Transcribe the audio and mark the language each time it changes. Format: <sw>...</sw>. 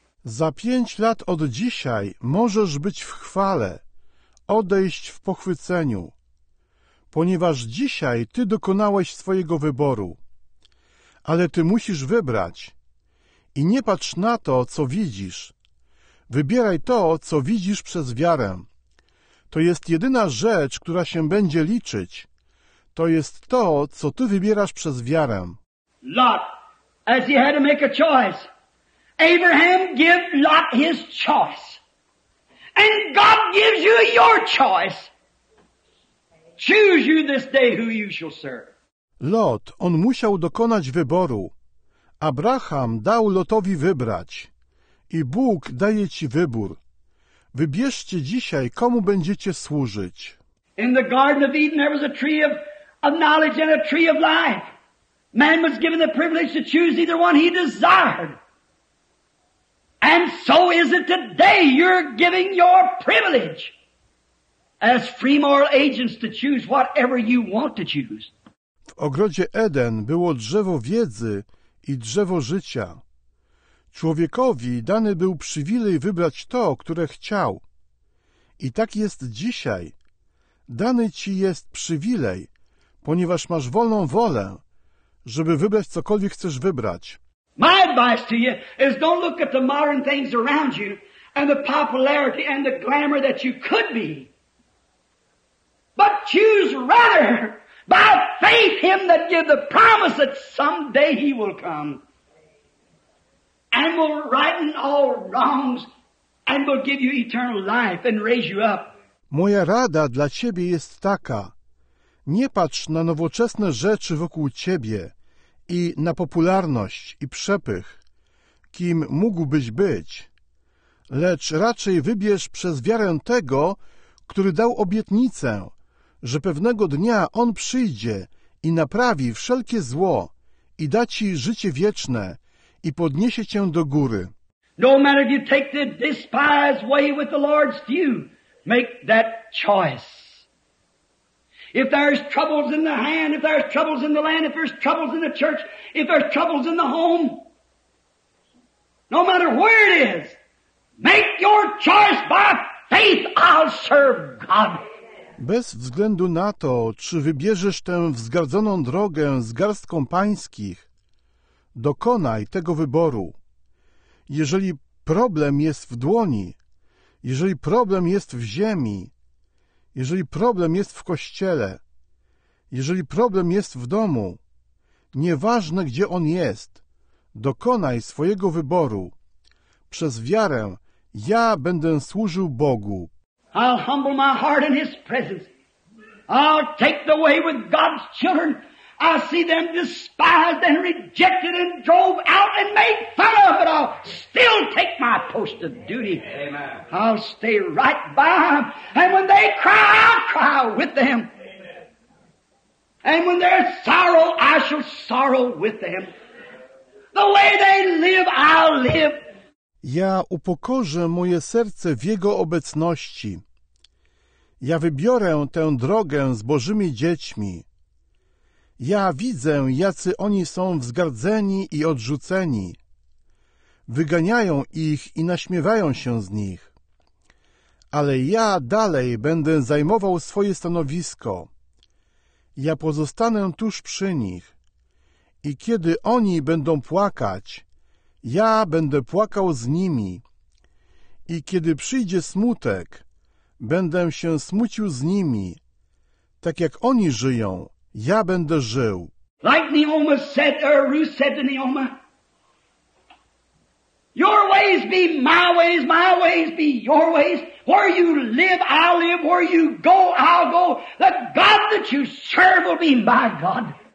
<pl>Za 5 lat od dzisiaj możesz być w chwale, odejść w pochwyceniu, ponieważ dzisiaj Ty dokonałeś swojego wyboru. Ale Ty musisz wybrać. I nie patrz na to, co widzisz. Wybieraj to, co widzisz przez wiarę. To jest jedyna rzecz, która się będzie liczyć. To jest to, co Ty wybierasz przez wiarę.</pl> <en>Lot, as he had to make a choice. Abraham gave Lot his choice. And God gives you your choice. Choose you this day who you shall serve.</en> <pl>Lot, on musiał dokonać wyboru. Abraham dał Lotowi wybrać. I Bóg daje ci wybór. Wybierzcie dzisiaj, komu będziecie służyć.</pl> <en>In the Garden of Eden there was a tree of knowledge and a tree of life. Man was given the privilege to choose either one he desired. And so is it today. You're giving your privilege as free moral agents to choose whatever you want to choose.</en> <pl>W ogrodzie Eden było drzewo wiedzy i drzewo życia. Człowiekowi dany był przywilej wybrać to, które chciał. I tak jest dzisiaj. Dany ci jest przywilej, ponieważ masz wolną wolę, żeby wybrać cokolwiek chcesz wybrać.</pl> <en>My advice to you is don't look at the modern things around you and the popularity and the glamour that you could be. But choose rather by faith him that gave the promise that someday he will come. And will righten all wrongs and will give you eternal life and raise you up.</en> <pl>Moja rada dla ciebie jest taka. Nie patrz na nowoczesne rzeczy wokół ciebie. I na popularność i przepych, kim mógłbyś być, lecz raczej wybierz przez wiarę tego, który dał obietnicę, że pewnego dnia On przyjdzie i naprawi wszelkie zło i da ci życie wieczne i podniesie cię do góry.</pl> <en>No matter if you take the despised way with the Lord's view, make that choice. If there's troubles in the hand, if there's troubles in the land, if there's troubles in the church, if there's troubles in the home, no matter where it is, make your choice by faith, I'll serve God.</en> <pl>Bez względu na to, czy wybierzesz tę wzgardzoną drogę z garstką pańskich, dokonaj tego wyboru. Jeżeli problem jest w dłoni, jeżeli problem jest w ziemi, jeżeli problem jest w kościele, jeżeli problem jest w domu, nieważne gdzie on jest, dokonaj swojego wyboru. Przez wiarę ja będę służył Bogu.</pl> <en>I'll humble my heart in His presence. I'll take the way with God's children. I'll see them despised and rejected and drove out and made fun of, but I'll still take my post of duty. Amen. I'll stay right by them. And when they cry, I'll cry with them. Amen. And when they're sorrow, I shall sorrow with them. The way they live, I'll live.</en> <pl>Ja upokorzę moje serce w Jego obecności. Ja wybiorę tę drogę z Bożymi dziećmi. Ja widzę, jacy oni są wzgardzeni i odrzuceni. Wyganiają ich i naśmiewają się z nich. Ale ja dalej będę zajmował swoje stanowisko. Ja pozostanę tuż przy nich. I kiedy oni będą płakać, ja będę płakał z nimi. I kiedy przyjdzie smutek, będę się smucił z nimi. Tak jak oni żyją, ja będę żył.</pl> <en>Like Naomi said, or Ruth said to Naomi, your ways be my ways be your ways. Where you live, I'll live. Where you go, I'll go. The God that you serve will be my God.</en>